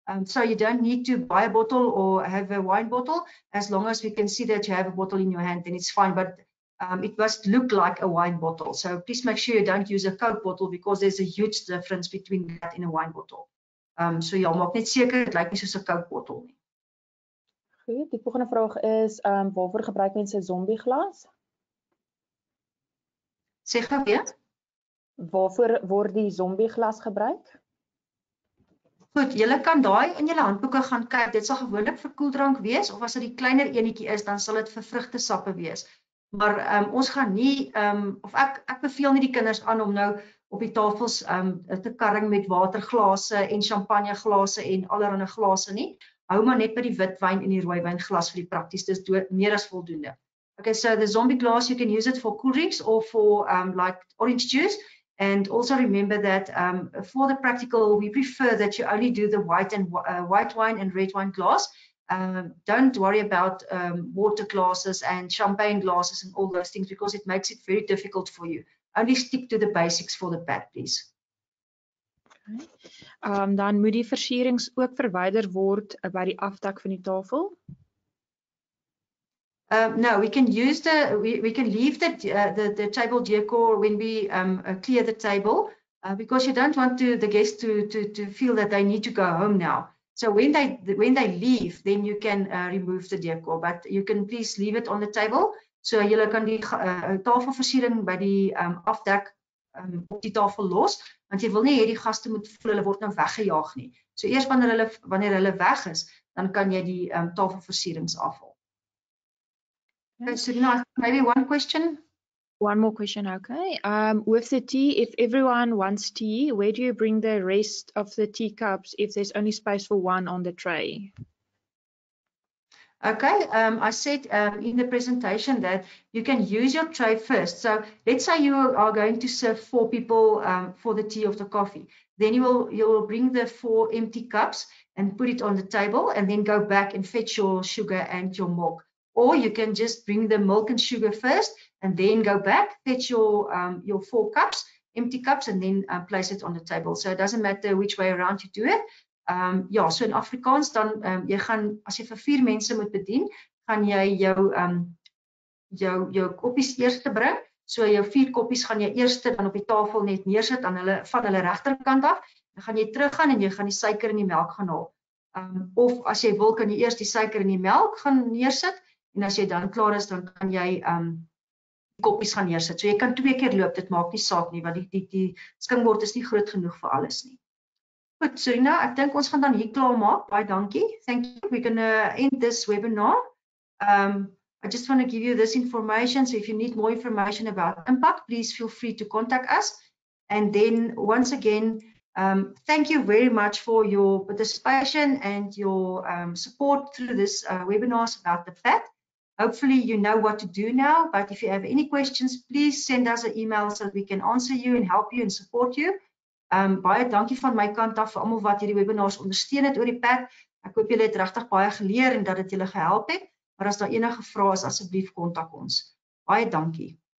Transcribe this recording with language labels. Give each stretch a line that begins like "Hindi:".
English: So you don't need to buy a bottle or have a wine bottle, as long as we can see that you have a bottle in your hand, then it's fine. But it must look like a wine bottle. So please make sure you don't use a Coke bottle because there's a huge difference between that and a wine bottle.
Afrikaans: So jy maak net seker, het lyk nie soos 'n Coke bottle nie. Goed, die volgende vraag is, waarvoor gebruik mense zombie glas? Sê gou weer. Waarvoor word die zombie glas gebruik? Goed, julle kan daai in julle handboeke gaan kyk. Dit sal gewoonlik vir koeldrank wees, of as dit die kleiner enetjie is, dan sal dit vir vrugtesappe wees. Maar ons gaan nie, of ek beveel nie die kinders aan om nou op die tafels te karring met waterglase en champagneglase en allerhande glase nie. Hou maar net by die witwyn en die rooiwyn glas vir die prakties, dis meer as voldoende.
English: Okay, so the zombie glass, you can use it for cool drinks or for like orange juice. And also remember that for the practical, we prefer that you only do the white and white wine and red wine glass. Don't worry about water glasses and champagne glasses and all those things because it makes it very difficult for you. Only stick to the basics for the pad, please. Okay.
Afrikaans: Dan moet die versierings ook verwyder word by die afdak van die tafel?
English: No, we can use the we can leave the table decor when we clear the table because you don't want the guests to feel that they need to go home now. So when they leave, then you can remove the decor, but you can please leave it on the table.
Afrikaans: So julle kan die tafelversiering by die afdek op die tafel los, want jy wil nie hê die gaste moet voel hulle word nou weggejaag nie. So eers wanneer hulle weg is, dan kan jy die tafelversierings afhaal.
English: Okay, so now maybe one question. One more question, okay. With the tea, if everyone wants tea, where do you bring the rest of the teacups if there's only space for one on the tray? Okay, I said in the presentation that you can use your tray first. So let's say you are going to serve 4 people for the tea or the coffee. Then you will bring the 4 empty cups and put it on the table and then go back and fetch your sugar and your milk. Or you can just bring the milk and sugar first and then go back, fetch your 4 cups, empty cups, and then place it on the table. So it doesn't matter which way around you do it.
Afrikaans: Ja, so in Afrikaans, dan, jy gaan, as jy vir 4 mense moet bedien, gaan jy jou koppies eerste bring. So jou 4 koppies gaan jy eerste dan op die tafel net neersit aan hulle, van hulle rechterkant af. Dan gaan jy terug gaan en jy gaan die suiker in die melk gaan haal. Of as jy wil, kan jy eerst die suiker in die melk gaan neersit. En as jy dan klaar is, dan kan jy koppies gaan neersit. So jy kan 2 keer loop, dit maak nie saak nie, want die skingbord is nie groot genoeg vir alles nie. Goed, Serena, ek dink ons gaan dan hier klaar maak. Baie dankie.
English: Thank you. We're going to end this webinar. I just want to give you this information. So if you need more information about Impact, please feel free to contact us. And then once again, Thank you very much for your participation and your support through this webinars about the FAT. Hopefully you know what to do now, but if you have any questions, please send us an email so that we can answer you and help you and support you.
Afrikaans: Baie dankie van my kant af vir almal wat hierdie webinars ondersteun het oor die pad. Ek hoop julle het regtig baie geleer en dat dit julle gehelp het. Maar as daar enige vrae is, asseblief kontak ons. Baie dankie.